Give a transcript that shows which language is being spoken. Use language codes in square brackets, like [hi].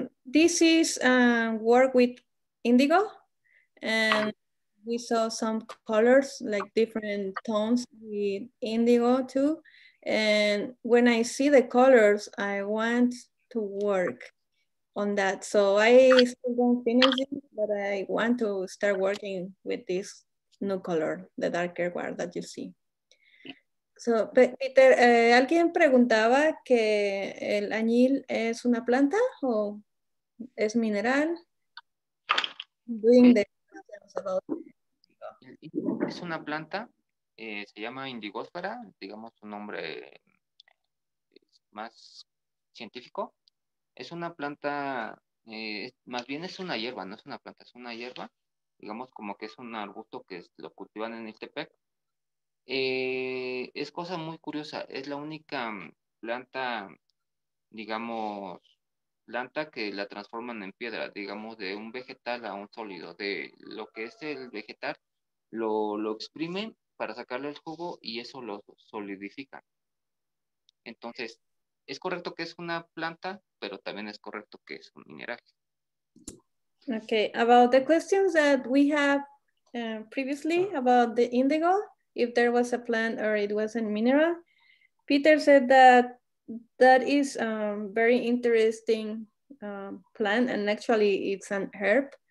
[en] This is work with indigo and we saw some colors, like different tones with indigo too. And when I see the colors, I want to work on that. So I still don't finish it, but I want to start working with this new color, the darker one that you see. [es] So, Peter, ¿alguien preguntaba que el añil es una planta o es mineral? Es una planta. Se llama indigósfera, digamos un nombre más científico. Es una planta, más bien es una hierba, no es una planta, es una hierba. Digamos como que es un arbusto que lo cultivan en Ixtepec. Es cosa muy curiosa, es la única planta, digamos, planta que la transforman en piedra, digamos, de un vegetal a un sólido. De lo que es el vegetal, lo exprimen para sacarle el jugo y eso lo solidifica. Entonces, es correcto que es una planta, pero también es correcto que es un mineral. [en] Okay, about the questions that we have previously about the indigo, if there was a plant or it was a mineral, Peter said that that is a very interesting plant, and actually it's an herb.